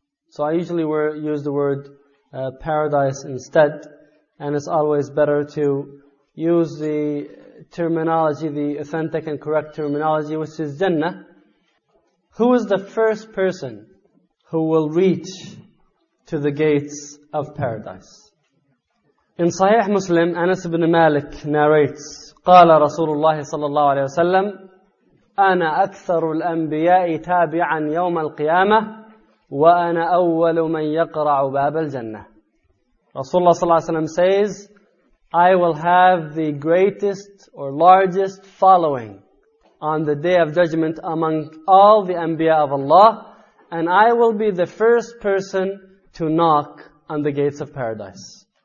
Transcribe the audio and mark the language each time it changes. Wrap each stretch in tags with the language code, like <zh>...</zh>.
<en>So I usually use the word paradise instead, and it's always better to use the terminology, the authentic and correct terminology, which is Jannah. Who is the first person who will reach to the gates of paradise? In Sahih Muslim, Anas ibn Malik narrates,</en> <ar>قَالَ رَسُولُ اللَّهِ صَلَّى اللَّهُ عَلَيْهِ وَسَلَّمْ أَنَا أَكْثَرُ الْأَنْبِيَاءِ تَابِعًا يَوْمَ الْقِيَامَةِ وَأَنَا أَوَّلُ مَنْ يَقْرَعُ بَابَ الْجَنَّةِ.</ar> <en>Rasulullah صلى الله عليه وسلم says, I will have the greatest or largest following on the Day of Judgment among all the Anbiya of Allah, and I will be the first person to knock on the gates of Paradise.</en>